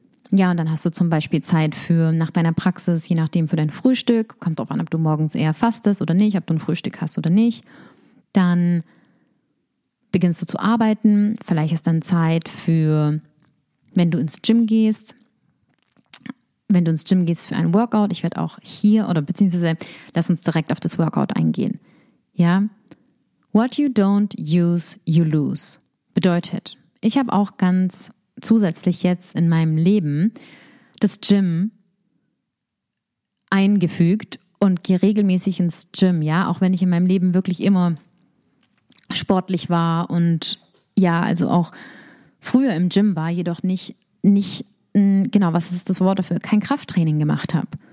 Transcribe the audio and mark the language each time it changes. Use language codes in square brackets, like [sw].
[de] Ja, und dann hast du zum Beispiel Zeit für nach deiner Praxis, je nachdem für dein Frühstück, kommt drauf an, ob du morgens eher fastest oder nicht, ob du ein Frühstück hast oder nicht. Dann beginnst du zu arbeiten, vielleicht ist dann Zeit für, wenn du ins Gym gehst für ein Workout, ich werde auch hier oder beziehungsweise lass uns direkt auf das Workout eingehen. [en] Ja, what you don't use, you lose. [de] Bedeutet, ich habe auch ganz zusätzlich jetzt in meinem Leben das Gym eingefügt und gehe regelmäßig ins Gym, ja, auch wenn ich in meinem Leben wirklich immer sportlich war und ja, also auch früher im Gym war, jedoch kein Krafttraining gemacht habe.